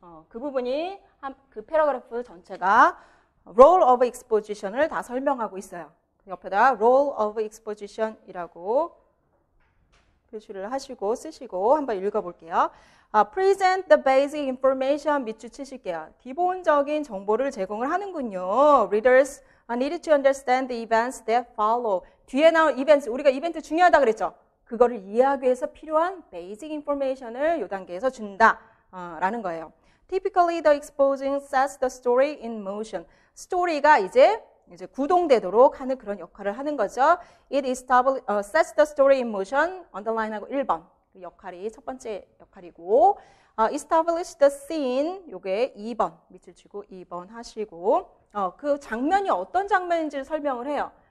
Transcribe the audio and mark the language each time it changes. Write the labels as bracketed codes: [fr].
[ko] 그 부분이 그 paragraph 전체가 role of exposition을 다 설명하고 있어요. 옆에다 role of exposition이라고 표시를 하시고 쓰시고 한번 읽어볼게요. [en] Present the basic information [ko] 밑줄 치실게요. 기본적인 정보를 제공을 하는군요. [en] Readers need to understand the events that follow. [ko] 뒤에 나온 events, 우리가 이벤트 중요하다 그랬죠? 그거를 이해하기 위해서 필요한 basic information을 이 단계에서 준다라는 거예요. [en] Typically, the exposing sets the story in motion. [ko] 스토리가 이제 구동되도록 하는 그런 역할을 하는 거죠. [en] It sets the story in motion, underline하고 1번. [ko] 그 역할이 첫 번째 역할이고, [en] establish the scene, [ko] 요게 2번, 밑줄 치고 2번 하시고, 그 장면이 어떤 장면인지를 설명을 해요.